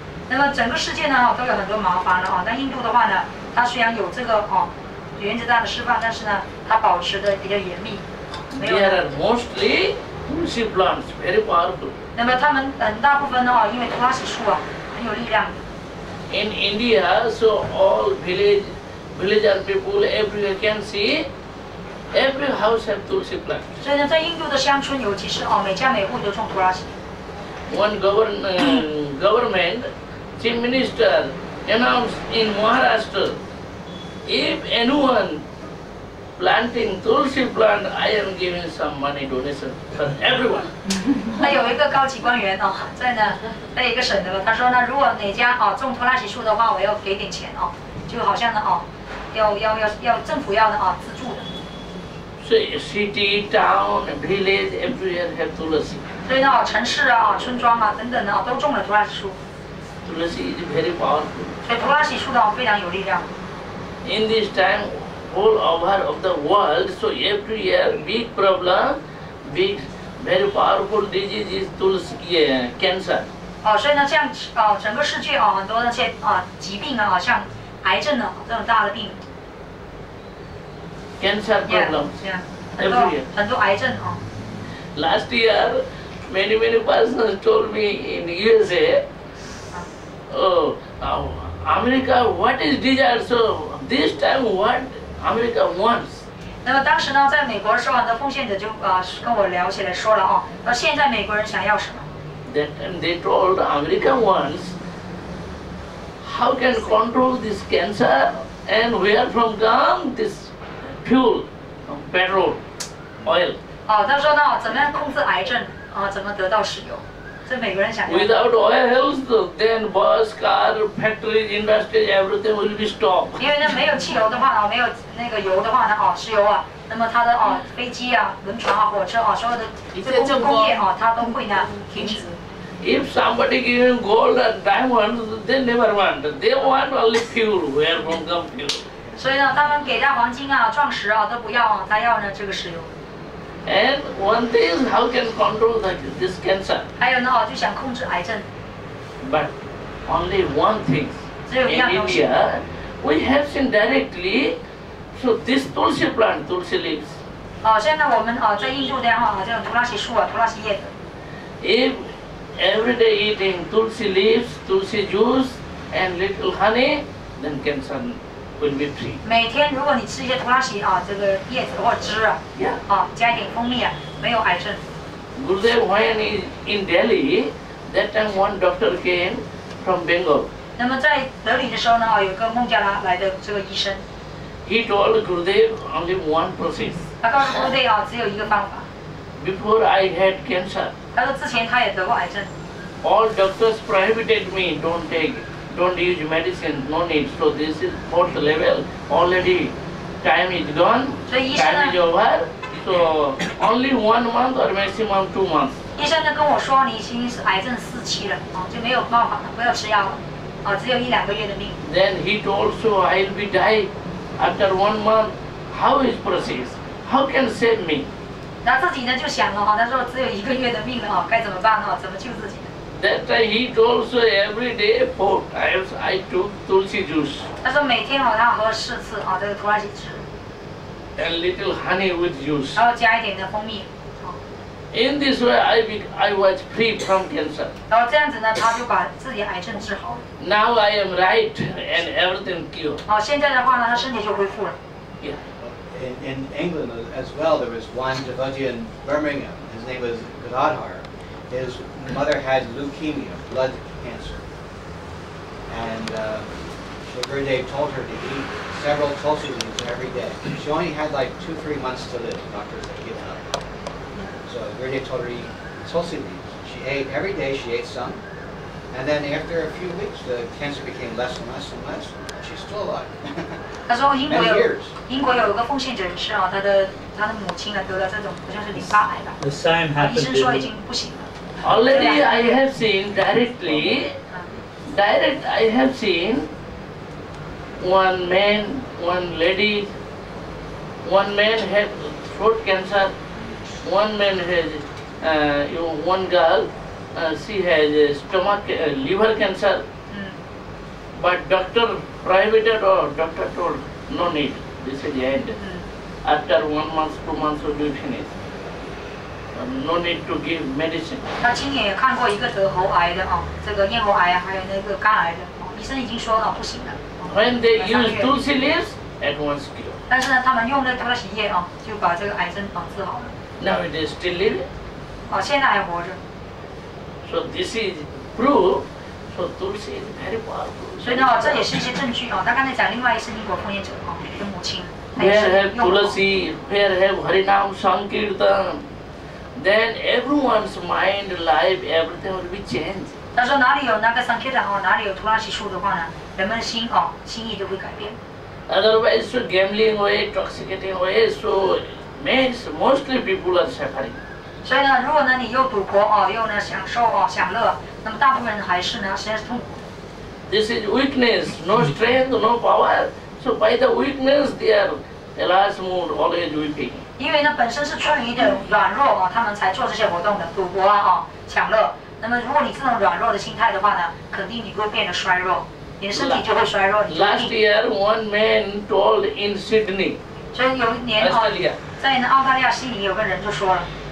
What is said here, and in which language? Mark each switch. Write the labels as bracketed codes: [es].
[zh] 那么整个世界呢都有很多麻烦了啊。那印度的话呢，它虽然有这个哦原子弹的释放，但是呢它保持的比较严密。 [en] They are mostly tulsi plants, very powerful. [zh] 那么他们很大部分呢哦，因为托拉斯树啊很有力量。 [en] In India, so all villager people everywhere can see. Every house have tulsi plant. [zh] 所以呢，在印度的乡村，尤其是哦，每家每户都种土拉西。 [en] One government chief minister announced in Maharashtra, if anyone planting tulsi plant, I am giving some money donation for everyone. [zh] 那有一个高级官员哦，在呢，在一个省的吧，他说呢，如果哪家哦种土拉西树的话，我要给点钱哦，就好像呢哦，要政府要的哦资助的。 [en] City, town, village, everywhere have tulsi. [zh] 所以呢，城市啊、村庄啊等等呢，都种了土拉西树。 [en] Tulsi is very powerful. [zh] 所以土拉西树呢，非常有力量。 [en] In this time, all over of the world, so every year big problem, big, very powerful disease is tulsi cancer. [zh] 哦，所以呢，这样哦，整个世界哦，很多那些啊疾病啊，像癌症呢，这种大的病。 [en] Cancer problems. Yeah, yeah. [zh] 很多癌症 [en] 。 Last year, many persons told me in USA, America, what is desire? So this time, what America wants? [zh] 那么当时呢，在美国说完的奉献者就跟我聊起来说了哦，现在美国人想要什么 [en] ？That time they told America wants how can control this cancer and where from come this. Fuel, petrol, oil. [zh] 哦，他说呢，怎么样控制癌症啊？怎么得到石油 [en] Without oils, then bus, car, factory, industry, everything will be stopped. [zh] 因为那没有汽油的话啊，没有那个油的话呢，哦，石油啊，那么它的哦，飞机啊，轮船啊，火车啊，所有的这个工业啊，它都会呢停止。 [en] If somebody gives him gold and diamonds, they never want. They want only fuel. Where from come fuel? [zh] 所以呢，他们给他黄金啊、钻石啊都不要啊，他要呢这个石油。 [en] And one thing is how can control this cancer? [zh] 还有呢，就想控制癌症。 [en] But only one thing. [zh] 只有一样东西。 [en] In India, we have seen directly. So this tulsi plant, tulsi leaves. [zh] 哦，现在我们哦，在印度的话，这种图拉西树啊，图拉西叶子。 [en] If every day eating tulsi leaves, tulsi juice, and little honey, then cancer will be free. [zh] 每天如果你吃一些图拉西啊，这个叶子或汁啊， [en] yeah. [zh] 啊，加一点蜂蜜啊，没有癌症。 [en] Gurudev when in Delhi, that time one doctor came from Bengal. [zh] 那么在德里的时候呢，有个孟加拉来的这个医生。 [en] He told Gurudev only one process. [zh] 他告诉 Gurudev 啊，只有一个方法。 [en] Before I had cancer. [zh] 他说之前他也得过癌症。 [en] All doctors prohibited me, don't use medicine, no need. So this is fourth level. Already time is gone, [zh] 所以医生呢 [en] time is over. So only 1 month or maximum 2 months. [zh] 医生呢跟我说你已经是癌症四期了，就没有办法了，不要吃药了，只有一两个月的命。 [en] Then he told so I'll be die after 1 month. How is process? How can save me? [zh] 他自己呢就想了，他说只有一个月的命了，该怎么办呢？怎么救自己？ [en] That time he told so every day 4 times I took tulsi juice. [zh] 他说每天他喝4次这个图拉西汁。 [en] And little honey with juice. [zh] 然后加一点的蜂蜜。 [en] In this way I was free from cancer. [zh] 然后这样子呢，他就把自己癌症治好了。 [en] Now I am right and everything cured. [zh] 现在的话呢，他身体就恢复了。 [en] In England as well, there was one devotee in Birmingham. His name was Gadadhar. His mother had leukemia, blood cancer. And Gurudev told her to eat several tulsi leaves every day. She only had like 2-3 months to live, doctors had given up. So Gurudev told her to eat tulsi leaves. She ate every day, she ate some. And then after a few weeks, the cancer became less and less and less. She's still alive. [zh] 他说英国有一个奉献者人士他的母亲得了这种好像是淋巴癌吧。 [en] The same happened. [zh] 医生说已经不行了。 [en] Already I have seen directly, I have seen one man had throat cancer, one man has one girl. She has liver cancer, but doctor prohibited or doctor told no need. This is the end. After 1 month, 2 months, will be finished. No need to give medicine. [zh] 他亲眼也看过一个得喉癌的这个咽喉癌还有那个肝癌的医生已经说了不行了。 [en] When they use tulsi leaves, at once cure. [zh] 但是呢，他们用那多少叶就把这个癌症治好了。 [en] Now it is still living. [zh] 现在还活着。 [en] So this is proof. So tulsi is very powerful. [zh] 所以呢，这也是一些证据他刚才讲另外一个英国奉献者的母亲。 [en] Where have tulsi? Where have Harinam Sankirtan? Then everyone's mind, life, everything will be changed. [zh] 他说哪里有那个 Sankirtan 哪里有图拉西树的话呢？人们的心心意都会改变。 [en] Otherwise, so gambling way, intoxicating way, so means mostly people are suffering. [zh] 所以呢，如果呢你又赌博又呢享受享乐，那么大部分人还是呢实际上是痛苦。 [en] This is weakness, no strength, no power. So by the weakness, they are the last mood always weeping. [zh] 因为呢本身是处于一点软弱他们才做这些活动的，赌博享乐。那么如果你这种软弱的心态的话呢，肯定你会变得衰弱，你的身体就会衰弱。 [en] Last year, one man told in Sydney. [zh] 所以有一年 [en] Australia. [zh] 在呢澳大利亚悉尼有个人就说了。